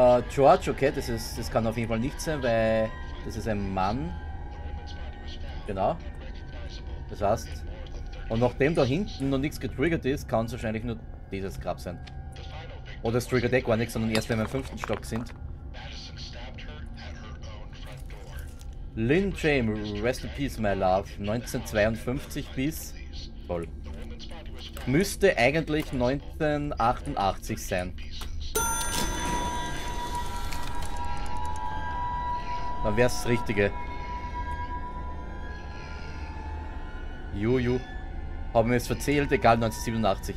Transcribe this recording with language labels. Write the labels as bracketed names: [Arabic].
[German] George, okay, das kann auf jeden Fall nicht sein, weil das ist ein Mann. Genau. Das heißt, und nachdem da hinten noch nichts getriggert ist, kann es wahrscheinlich nur dieses Grab sein. Oder es triggert eh gar nichts, sondern erst wenn wir im fünften Stock sind. [English] Lynn James, rest in peace, my love. [German] 1952 bis. Toll. Müsste eigentlich 1988 sein. Dann wär's das Richtige. Juju. Haben wir es verzählt? Egal, 1987.